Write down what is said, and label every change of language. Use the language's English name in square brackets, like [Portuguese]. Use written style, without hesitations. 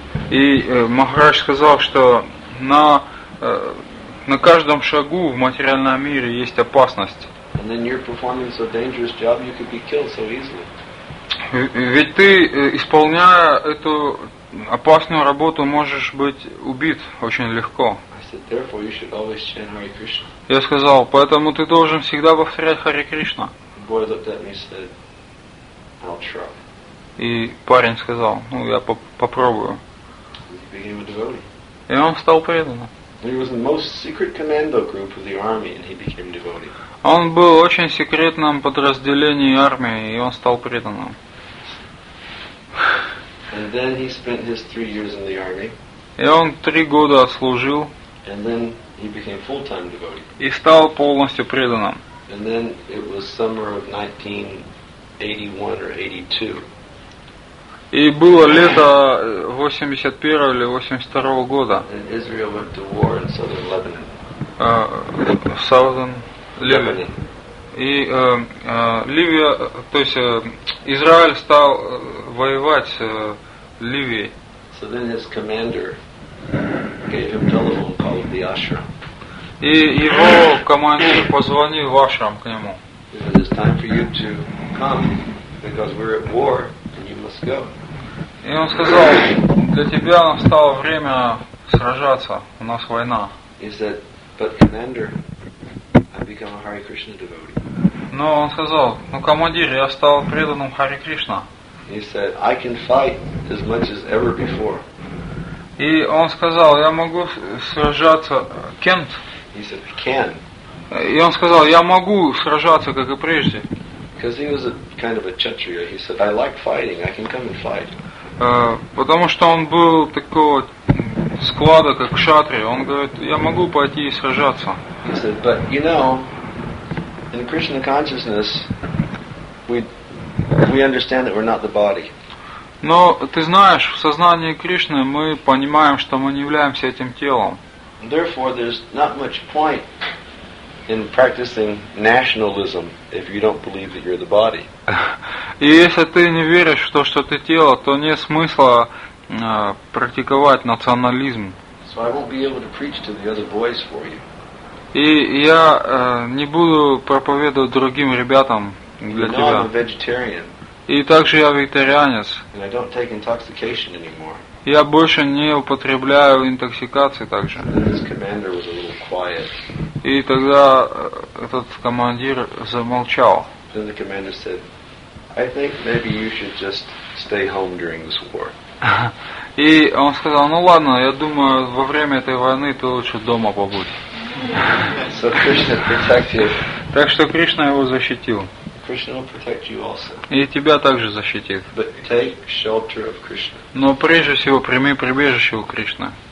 [Russian] И Махарадж сказал, что на каждом шагу в материальном мире есть опасность. [English] And then you're performing so dangerous job, you could be killed so easily. [Russian] Ведь ты, исполняя эту опасную работу, можешь быть убит очень легко. [English] I said, therefore, you should always chant Hare Krishna. [Russian] Я сказал, поэтому ты должен всегда повторять Харе Кришна. [English] The boy looked at me and said, I'll try. [Russian] И парень сказал, ну я попробую. [English] He became a devotee. [Russian] И он стал преданным. [English] He was in the most secret commando group of the army, and he became a devotee. [Russian] Он был в очень секретном подразделении армии, и он стал преданным. [English] And then he spent his 3 years in the army. [Russian] И он 3 года отслужил. [English] And then he became full-time devotee. [Russian] И стал полностью преданным. [English] And then it was summer of 1981 or 82. [Russian] И было лето 81 или 82 года. [English] And Israel went to war in southern Lebanon. [Russian] Ливия, то есть Израиль стал воевать с Ливией. [English] So then his commander gave him telephone call of the ashram. [Russian] И его командир позвонил в ашрам к нему. [English] It is time for you to come because we're at war and you must go. [Russian] И он сказал, для тебя настало время сражаться, у нас война. [English] He said, but commander. Become a Hare Krishna devotee. [Russian] Но он сказал, ну командир, я стал преданным Харе Кришна. [English] He said, I can fight as much as ever before. [Russian] И он сказал, я могу сражаться кем-то. [English] He said, can. [Russian] И он сказал, я могу сражаться как и прежде. [English] Because he was a kind of a chaturya. He said, I like fighting. I can come and fight. [Russian] Потому что он был такого склада, как кшатри. Он говорит, я могу пойти и сражаться. [English] He said, but you know, in Krishna consciousness, we understand that we're not the body. [Russian] Но ты знаешь, в сознании Кришны мы понимаем, что мы не являемся этим телом. [English] Therefore, there's not much point in practicing nationalism if you don't believe that you're the body. [Russian] И если ты не веришь в то, что ты тело, то нет смысла практиковать национализм. [English] So I won't be able to preach to the other boys for you. [Russian] И я не буду проповедовать другим ребятам для тебя. [English] I'm a vegetarian. [Russian] И также я вегетарианец. [English] And I don't take intoxication anymore. [Russian] Я больше не употребляю интоксикации также. [English] And this commander was a little quiet. [Russian] И тогда этот командир замолчал. [English] Then the commander said, I think maybe you should just stay home during this war. [Russian] И он сказал, ну ладно, я думаю, во время этой войны ты лучше дома побудь. [English] So Krishna protect you. [Russian] Так что Кришна его защитил. [English] Krishna will protect you also. [Russian] И тебя также защитит. [English] But take shelter of Krishna. [Russian] Но прежде всего прими прибежище у Кришны.